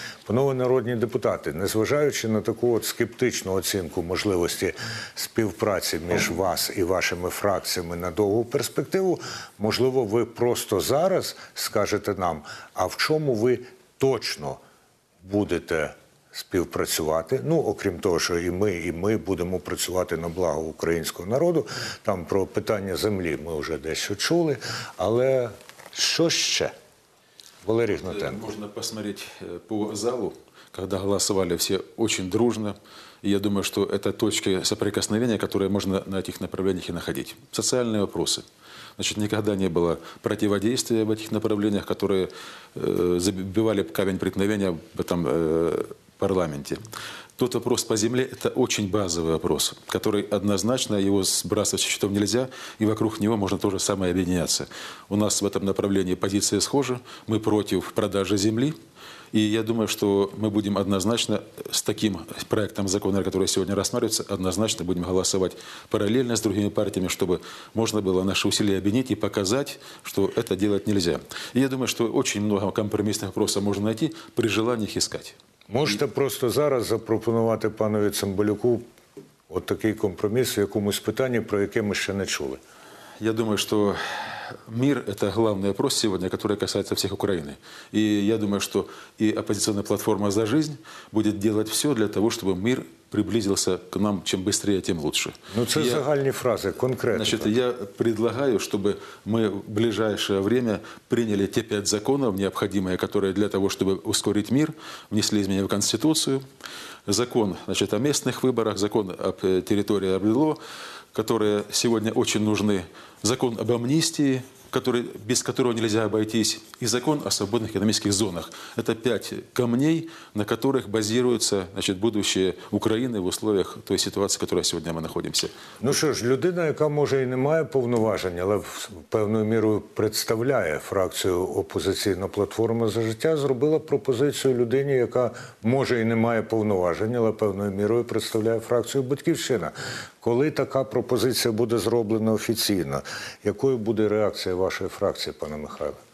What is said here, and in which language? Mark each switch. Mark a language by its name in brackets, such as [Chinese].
[Ukrainian] Панове народні депутати, незважаючи на таку от скептичну оцінку можливості співпраці між вас і вашими фракціями на довгу перспективу, можливо, ви просто зараз скажете нам, а в чому ви точно будете співпрацювати, ну, окрім того, що і ми будемо працювати на благо українського народу, там про питання землі ми вже дещо чули, але що ще? Валерій Гнатенко. [Russian] Можна посмотреть по залу, когда голосовали все очень дружно. И я думаю, что это точки соприкосновения, которые можно на этих направлениях и находить. Социальные вопросы. Значит, никогда не было противодействия в этих направлениях, которые забивали камень преткновения в этом парламенте. Тот вопрос по земле – это очень базовый вопрос, который однозначно, его сбрасывать со счетов нельзя, и вокруг него можно то же самое объединяться. У нас в этом направлении позиция схожа, мы против продажи земли, и я думаю, что мы будем однозначно с таким проектом закона, который сегодня рассматривается, однозначно будем голосовать параллельно с другими партиями, чтобы можно было наши усилия объединить и показать, что это делать нельзя. И я думаю, что очень много компромиссных вопросов можно найти, при желании их искать. [Ukrainian] Можете просто зараз запропонувати панові Цимбалюку от такий компроміс в якомусь питанні, про яке ми ще не чули? Я думаю, що мир – це головний вопрос сьогодні, який стосується всіх України. І я думаю, що і опозиційна платформа «За життя» буде робити все для того, щоб мир [Russian] приблизился к нам, чем быстрее, тем лучше. Ну, это загальные фразы, конкретно. Значит, я предлагаю, чтобы мы в ближайшее время приняли те 5 законов, необходимые, которые для того, чтобы ускорить мир, внесли изменения в Конституцию. Закон, значит, о местных выборах, закон об территории, об ЛО, которые сегодня очень нужны. Закон об амнистии, который, без которого нельзя обойтись, и закон о свободных экономических зонах. Это 5 камней, на которых базируется, значит, будущее Украины в условиях той ситуации, в которой [Ukrainian] сьогодні ми знаходимося. Ну що ж, людина, яка може і не має повноважень, але певною мірою представляє фракцію «Опозиційна платформа за життя», зробила пропозицію людині, яка може і не має повноважень, але певною мірою представляє фракцію «Батьківщина». Коли така пропозиція буде зроблена офіційно, якою буде реакція вашої фракції, пане Михайле?